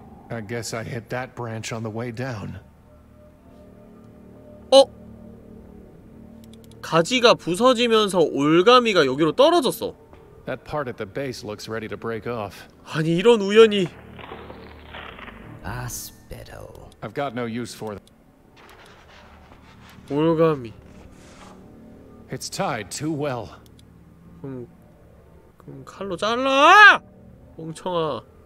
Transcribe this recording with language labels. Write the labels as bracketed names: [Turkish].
[English] I guess I hit that branch on the way down. [Korean] 어? 가지가 부서지면서 올가미가 여기로 떨어졌어. [English] That part at the base looks ready to break off. [Korean] 아니 이런 우연이. Aspettle. [English] I've got no use for them. [Korean] 올가미. [English] It's tied too well. [Korean] 그럼 칼로 잘라! 멍청아.